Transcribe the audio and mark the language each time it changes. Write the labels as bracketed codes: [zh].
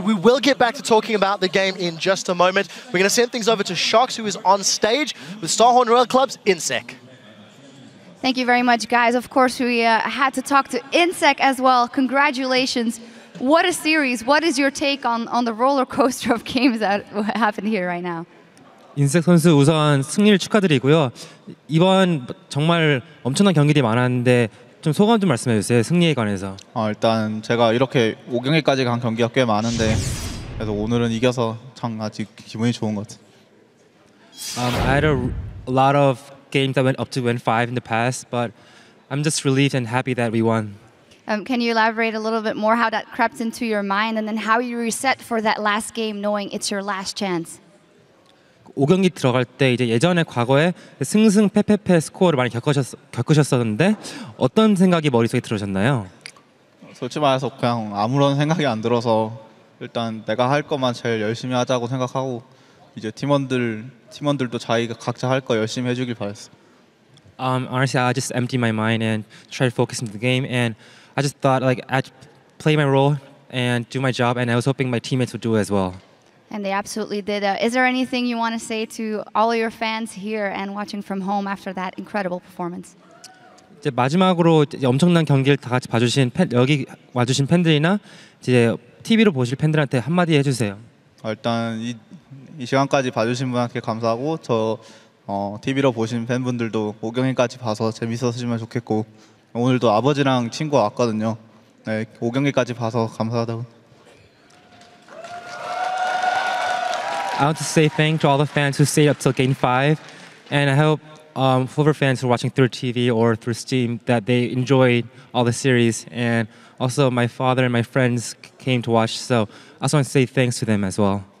[en] We will get back to talking about the game in just a moment. We're going to send things over to Shox, who is on stage with Starhorn Royal Club's Insec. Thank you very much, guys. Of course, we had to talk to Insec as well. Congratulations. What a series. What is your take on the roller coaster of games that happened here right now? [ko] 인색 선수 우선 승리를 축하드리고요. 이번 정말 엄청난 경기들이 많았는데 좀 소감 좀 말씀해 주세요. 승리에 관해서. 일단 제가 이렇게 5경기까지 간 경기가 꽤 많은데 그래서 오늘은 이겨서 참 아직 기분이 좋은 것 같아요. [en] I had a lot of games that went up to win 5 in the past, but I'm just relieved and happy that we won. Can you elaborate a little bit more how that crept into your mind and then how you reset for that last game knowing it's your last chance? [ko] 5경기 들어갈 때 이제 예전에 과거에 승승패패패 스코어를 많이 겪으셨었는데 어떤 생각이 머릿속에 들으셨나요? 솔직히 말해서 그냥 아무런 생각이 안 들어서 일단 내가 할 것만 제일 열심히 하자고 생각하고 이제 팀원들도 자기가 각자 할 거 열심히 해주길 바랬어요. [en] Honestly, I just emptied my mind and tried to focus on the game and I just thought like I'd play my role and do my job and I was hoping my teammates would do it as well. And they absolutely did. Is there anything you want to say to all your fans here and watching from home after that incredible performance? [ko] 이제 마지막으로 이제 엄청난 경기를 다 같이 봐주신 팬, 여기 와주신 팬들이나 이제 TV로 보실 팬들한테 한마디 해주세요. 일단 이 시간까지 봐주신 분한테 감사하고 저 TV로 보신 팬분들도 5경기까지 봐서 재밌었으면 좋겠고 오늘도 아버지랑 친구 왔거든요. 네, 5경기까지 봐서 감사하다고. [en] I want to say thank to all the fans who stayed up till game 5 and I hope whoever fans who are watching through TV or through Steam that they enjoyed all the series and also my father and my friends came to watch so I also want to say thanks to them as well.